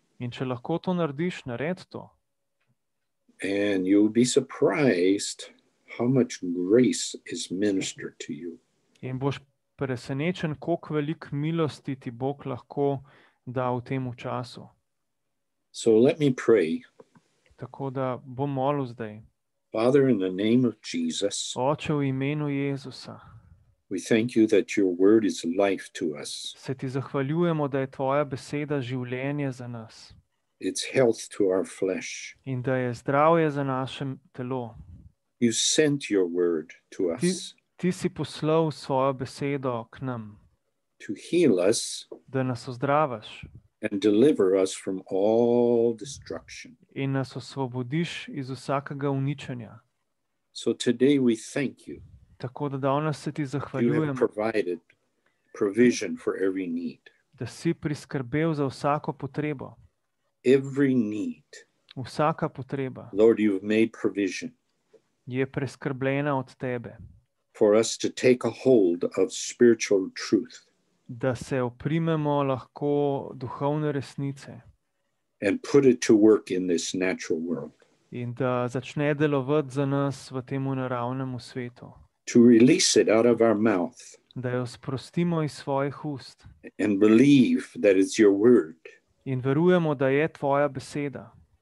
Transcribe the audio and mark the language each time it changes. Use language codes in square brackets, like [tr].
[sl] In če lahko to narediš, nared to. [en] And you'll be surprised how much grace is ministered to you. [sl] In boš presenečen, koliko velik milosti ti Bog lahko da v tem času. [en] So let me pray. [sl] Tako da bom molil zdaj. [en] Father, in the name of Jesus. [sl] Oče, v imenu Jezusa. [en] We thank you that your word is life to us. [sl] Se ti zahvaljujemo, da je tvoja beseda življenje za nas. [en] It's health to our flesh. [sl] In da je zdravje za naše telo. [en] You sent your word to us. [sl] Ti si poslal svojo besedo k nam. [en] To heal us. [sl] Da nas ozdravaš. [en] And deliver us from all destruction. [sl] In nas osvobodiš iz vsakega uničenja. [en] So today we thank you. [sl] Tako da danes se ti zahvaljujem. [en] You have provided provision for every need. [sl] Da si priskrbel za vsako potrebo. [en] Every need. [sl] Vsaka potreba. [en] Lord, you've made provision. [sl] Je preskrbljena od tebe. [en] For us to take a hold of spiritual truth. [sl] Da se oprimemo lahko duhovne resnice. [en] And put it to work in this natural world. [sl] In da začne delovati za nas v tem naravnem svetu. [en] To release it out of our mouth. [sl] Da jo sprostimo iz svojih ust. [en] And believe that it's your word. [sl] In verujemo, da je tvoja beseda.